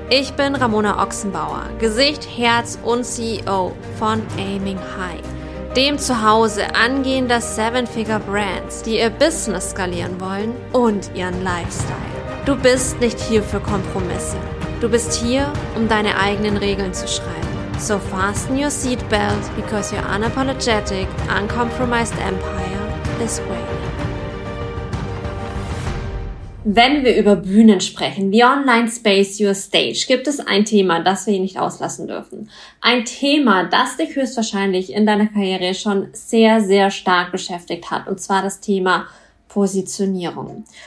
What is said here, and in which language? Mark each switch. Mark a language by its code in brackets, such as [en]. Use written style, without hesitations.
[de] Ich bin Ramona Ochsenbauer, Gesicht, Herz und CEO von Aiming High, dem Zuhause angehender Seven-Figure-Brands, die ihr Business skalieren wollen und ihren Lifestyle. Du bist nicht hier für Kompromisse. Du bist hier, um deine eigenen Regeln zu schreiben. [en] So fasten your seatbelt, because your unapologetic, uncompromised empire is waiting. [de] Wenn wir über Bühnen sprechen, [en] the online space, your stage, [de] gibt es ein Thema, das wir hier nicht auslassen dürfen. Ein Thema, das dich höchstwahrscheinlich in deiner Karriere schon sehr, sehr stark beschäftigt hat, und zwar das Thema Positionierung.